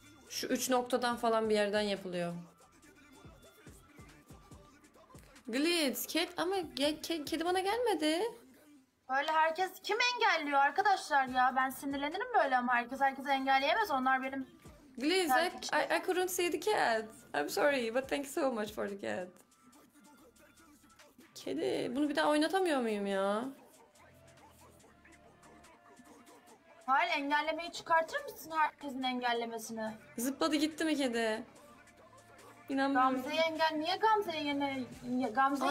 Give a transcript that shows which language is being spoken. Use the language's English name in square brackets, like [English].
[Turkish] Şu üç noktadan falan bir yerden yapılıyor. Glitz, Cat ama kedi bana gelmedi. Böyle herkes kim engelliyor arkadaşlar ya? Ben sinirlenirim böyle ama herkes engelleyemez. Onlar benim... [English] Glitz, I couldn't see the cat. I'm sorry but thank you so much for the cat. [Turkish] Kedi, bunu bir daha oynatamıyor muyum ya? Hayır, engellemeyi çıkartır mısın herkesin engellemesini? Zıpladı gitti mi kedi? İnanmıyorum. Gamze'yi engel... Niye Gamze'yi yine... Gamze'yi